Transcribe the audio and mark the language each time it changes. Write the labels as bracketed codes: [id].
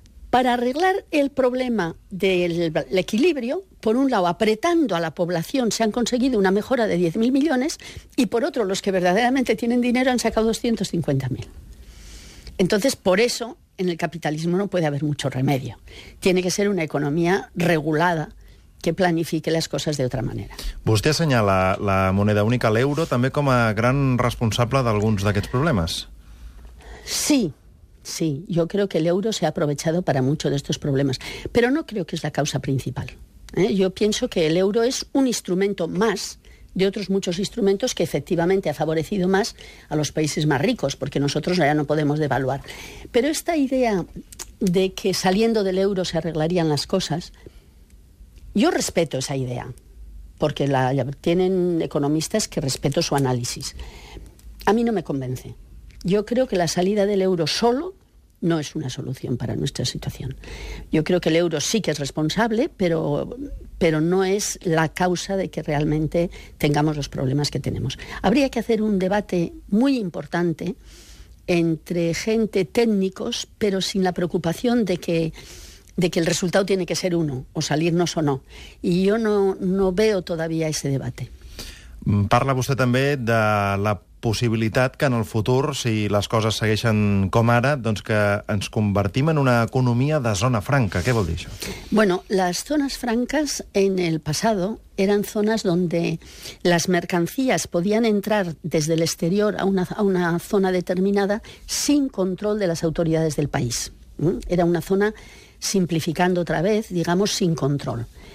[es] Para arreglar el problema del equilibrio, por un lado, apretando a la población, se han conseguido una mejora de 10.000 millones, y por otro, los que verdaderamente tienen dinero han sacado 250.000. Entonces, por eso, en el capitalismo no puede haber mucho remedio. Tiene que ser una economía regulada que planifique las cosas de otra manera. [ca] Vostè assenyala la moneda única, l'euro, també com a gran responsable d'alguns d'aquests problemes. [es] Sí. Sí, yo creo que el euro se ha aprovechado para muchos de estos problemas, pero no creo que es la causa principal. Yo pienso que el euro es un instrumento más de otros muchos instrumentos que efectivamente ha favorecido más a los países más ricos, porque nosotros ya no podemos devaluar. Pero esta idea de que saliendo del euro se arreglarían las cosas, yo respeto esa idea, porque la tienen economistas que respeto su análisis. A mí no me convence. Yo creo que la salida del euro solo no es una solución para nuestra situación. Yo creo que el euro sí que es responsable, pero no es la causa de que realmente tengamos los problemas que tenemos. Habría que hacer un debate muy importante entre gente técnicos, pero sin la preocupación de que el resultado tiene que ser uno, o salirnos o no. Y yo no veo todavía ese debate. [ca] Parla vostè també de la possibilitat que en el futur, si les coses segueixen com ara, doncs que ens convertim en una economia de zona franca. Què vol dir això? [es] Bueno, las zonas francas en el pasado eran zonas donde las mercancías podían entrar desde el exterior a una zona determinada sin control de las autoridades del país. Era una zona, simplificando otra vez, digamos, sin control.